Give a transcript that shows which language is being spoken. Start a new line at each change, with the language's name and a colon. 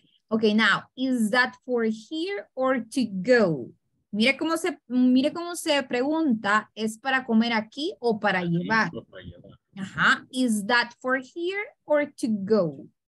English: Ok, now, is that for here or to go?
Spanish: Mire cómo se pregunta, ¿es para comer aquí o para llevar?
English: Ajá, is that for here or to go?